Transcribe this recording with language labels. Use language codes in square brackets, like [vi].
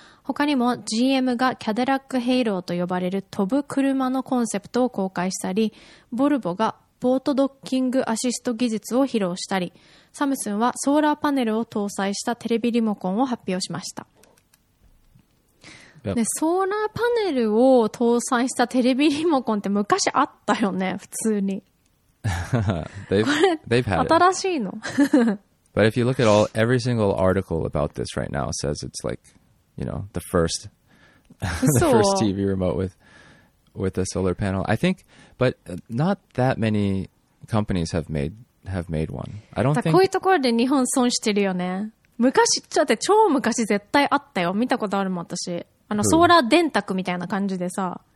[ja] 他にも GM がキャデラックヘイローと呼ばれる飛ぶ車のコンセプトを公開したり、ボルボがボートドッキングアシスト技術を披露したり、サムスンはソーラーパネルを搭載したテレビリモコンを発表しました。 [en] Yep. [ja] ね、ソーラーパネルを搭載したテレビリモコンって昔あったよね、普通に。これ、新しいの。 [en] But if you look at all, every single article about this right now says it's like, you know, the first, the first TV remote with a solar panel. I think, but not that many companies have made one. I don't think. [ja] こういうところで日本損してるよね。昔、ちょっと超昔絶対あったよ。見たことあるもん、私。あの、 [en] who? [ja] ソーラー電卓みたいな感じでさ。